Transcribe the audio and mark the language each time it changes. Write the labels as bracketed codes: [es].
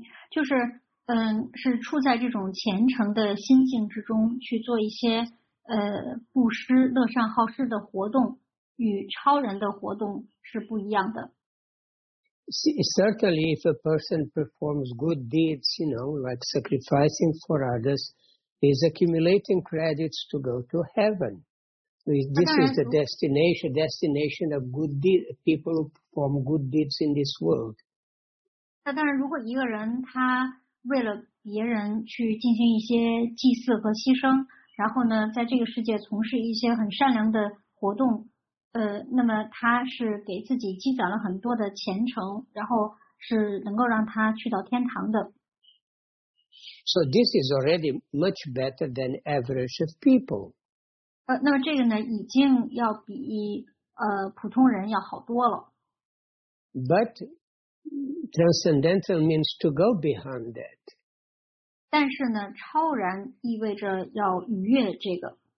[zh] 就是是处在这种虔诚的心境之中去做一些布施、乐善好施的活动，与超人的活动是不一样的。 [en] Certainly, if a person performs good deeds, you know, like sacrificing for others, he's accumulating credits to go to heaven. This is the destination of good deeds, people who perform good deeds in this world. [zh] 但当然，如果一个人他为了别人去进行一些祭祀和牺牲，然后呢，在这个世界从事一些很善良的活动。那么他是给自己积攒了很多的虔诚，然后是能够让他去到天堂的。 [en] So this is already much better than average of people. [zh] 那么这个呢，已经要比普通人要好多了。 [en] But transcendental means to go beyond that. [zh] 但是呢，超然意味着要逾越这个。